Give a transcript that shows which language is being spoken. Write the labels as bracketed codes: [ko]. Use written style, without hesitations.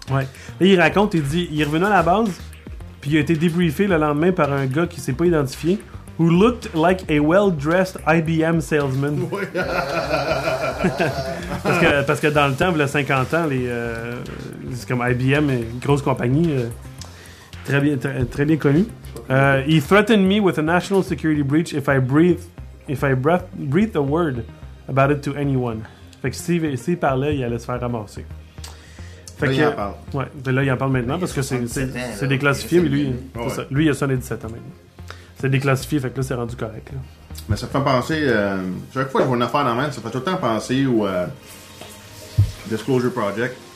[fr] Ouais. Là, il raconte, il dit, il est revenu à la base, puis il a été débriefé le lendemain par un gars qui s'est pas identifié, [en] who looked like a well-dressed IBM salesman. [fr] Ouais. parce que dans le temps, il y a 50 ans, c'est comme IBM, une grosse compagnie. Très bien, très bien connu. [en] He threatened me with a national security breach if I breathe a word about it to anyone. [fr] Fait que si il parlait, il allait se faire ramasser. Fait que, il en parle. Ouais, là, il en parle maintenant parce que c'est déclassifié. Mais lui, c'est ouais. Ça. Lui, il a sonné 17 ans maintenant. C'est déclassifié, fait que là, c'est rendu correct. Là. Mais ça fait penser... chaque fois que je vois une affaire dans la main, ça fait tout le temps penser au Disclosure Project.